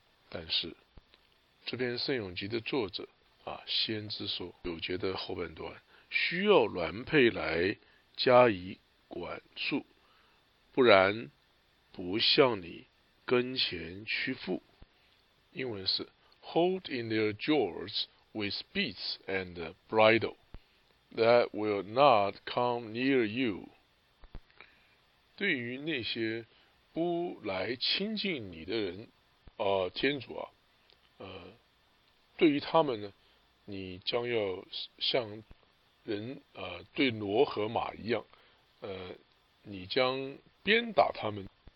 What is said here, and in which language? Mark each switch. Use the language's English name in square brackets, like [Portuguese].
[Chinese] 但是这篇圣咏集的作者先知说，九节的后半段，需要鸾佩来加以管束，不然不向你跟前屈服。英文是 [English] Hold in their jaws with bits and bridle that will not come near you。 [Chinese] 对于那些不来亲近你的人，天主对于他们呢，你将要向人对骡和马一样，你将鞭打他们。